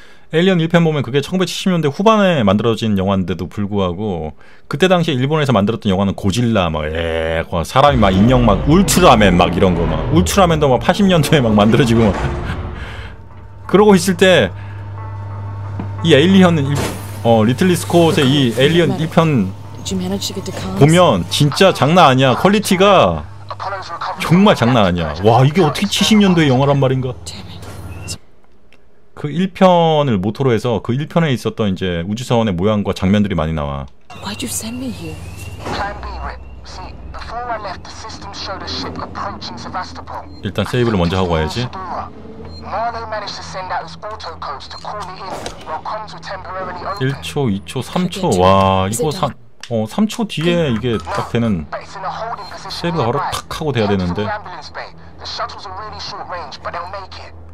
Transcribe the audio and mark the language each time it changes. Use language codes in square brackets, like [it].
[ko] 엘리언 1편 보면 그게 1970년대 후반에 만들어진 영화인데도 불구하고 그때 당시에 일본에서 만들었던 영화는 고질라 막 사람이 막 인형 막 울트라맨 막 이런 거 막 울트라맨도 막 80년대에 막 만들어지고 막 그러고 있을 때 이 엘리언 리틀리 스콧의 이 엘리언 1편 보면 진짜 장난 아니야. 퀄리티가 정말 장난 아니야. 와, 이게 어떻게 70년대 영화란 말인가? 그 1편을 모토로 해서 그 1편에 있었던 이제 우주선의 모양과 장면들이 많이 나와. [en] Why'd you send me here? Plan B, Rip. See, before I left, the system showed a ship approaching Sevastopol. [ko] 일단 세이브를 먼저 하고 와야지. [en] Marlow managed to send out his auto codes to call me in while comms were temporarily open. [ko] 1초, 2초, 3초. 와, 이거 3초 뒤에 이게 딱 되는 세이브가 바로 탁 하고 돼야 되는데. [en] The shuttles are really short range, but they'll make it.